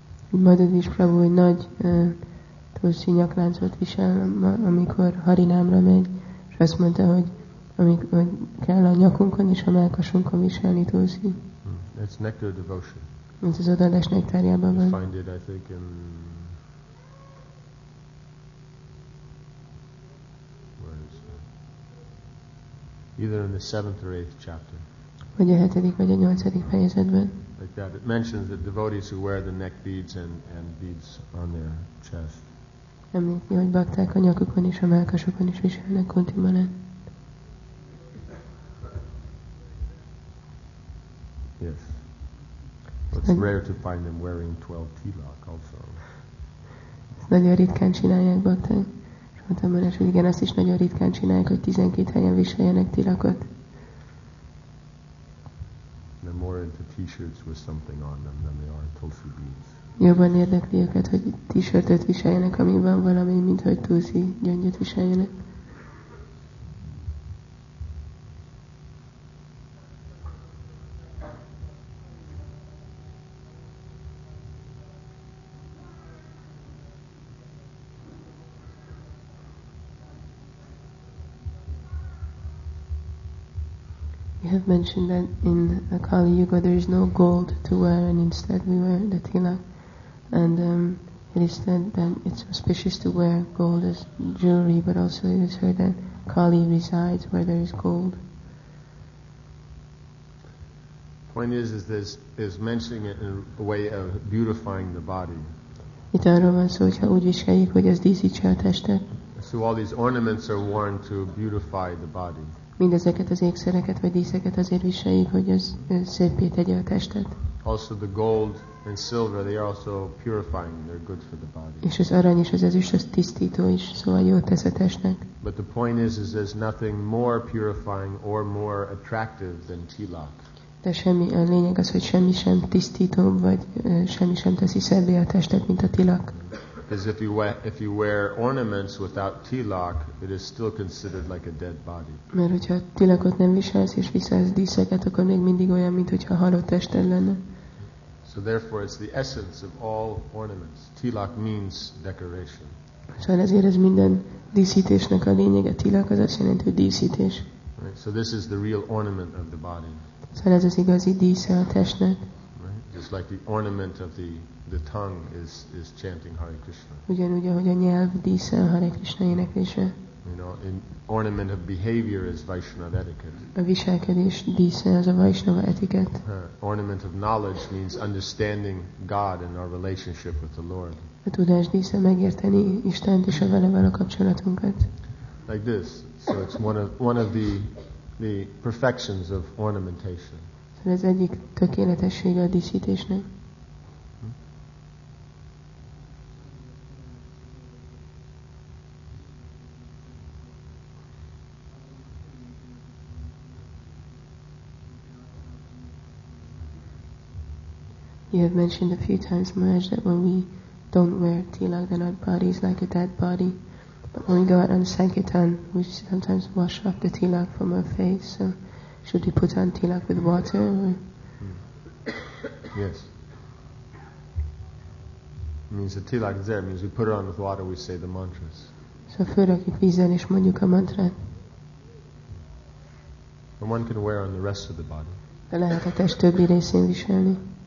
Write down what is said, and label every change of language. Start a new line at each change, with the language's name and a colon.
Hungarian: Madhavish Prabhu egy nagy tulsi nyakláncot visel, amikor Harinámra megy, és azt mondta, hogy, hogy kell a nyakunkon és a mellkasunkon viselni tulsi.
English: It's nectar devotion.
Hungarian: Ez az odaadás nektárjában van.
English: You find it, I think, in where is it? Either in the 7th or 8th chapter.
Hungarian: Vagy a 7. vagy a 8. fejezetben.
English: Like that. It mentions the devotees who wear the neck beads and beads on their chest.
Hungarian: Említi, hogy bakták a nyakukon és a mellkasukon is viselnek kunti manát.
English: Yes. But it's rare to find them wearing 12 tilak also.
Hungarian: Nagyon ritkán csinálják bakták. És mondtam volna, hogy igen, azt is nagyon ritkán csinálják, hogy 12 helyen viseljenek tilakot.
English: They're more into t-shirts with something on them than they are tulsi beads.
Hungarian: Jobban érdekli őket, hogy t-shirtet viseljenek, ami van valami, mint hogy tulsi gyöngyöt viseljenek.
English: You have mentioned that in Kali Yuga there is no gold to wear, and instead we wear the tilak. And it is said that it's auspicious to wear gold as jewelry, but also it is heard that Kali resides where there is gold. Point is this is mentioning it in a way of beautifying the body.
Hungarian: Itt arról van szó, hogyha úgy is kelljük, hogy ez díszítse a testet.
English: So all these ornaments are worn to beautify the body.
Hungarian: Mindezeket az ékszereket vagy díszeket azért viseljük, hogy ez szépé tegye a testet.
English: Also the gold and silver, they are also purifying. They're good for the body.
Hungarian: És az arany és az ezüst az tisztító is, szóval jót tesz a testnek.
English: But the point is there's nothing more purifying or more attractive than tilak.
Hungarian: De semmi, a lényeg az, hogy semmi sem tisztító, vagy semmi sem teszi szebbé a testet, mint a tilak.
English: Because if you wear ornaments without tilak, it is still considered like a dead body.
Hungarian: Mert hogyha tilakot nem viselsz és viselsz díszeket, akkor még mindig olyan, mint hogyha halott tested lenne.
English: So therefore, it's the essence of all ornaments. Tilak means decoration.
Hungarian: Szóval ezért ez minden díszítésnek a lényege. Tilak az azt jelenti, hogy díszítés.
English: Right. So this is the real ornament of the body.
Hungarian: Szóval ez az igazi dísze a testnek.
English: Just like the ornament of the tongue is chanting Hare Krishna.
Hungarian: Ugyanúgy, ahogy a nyelv dísze a Hare Krishna éneklése.
English: You know, an ornament of behavior is Vaishnava etiquette.
Hungarian: A viselkedés dísze az a Vaishnava etiquette.
English: Ornament of knowledge means understanding God and our relationship with the Lord.
Hungarian: A tudás dísze megérteni Istent és a vele való kapcsolatunkat.
English: Like this. So it's one of the perfections of ornamentation.
Hungarian: Ez egyik tökéletessége a díszítésnek.
English: You have mentioned a few times, Maharaj, that when we don't wear tilak, then our body is like a dead body. But when we go out on sankirtan, we sometimes wash off the tilak from our face. So should we put on tilak with water? Yes. It means the tilak is there. It means we put it on with water, we say the mantras.
Hungarian: So főrakjuk vízzel és mondjuk a mantrát.
English: But one can wear on the rest of the body.
Hungarian: De lehet a test többi részén viselni.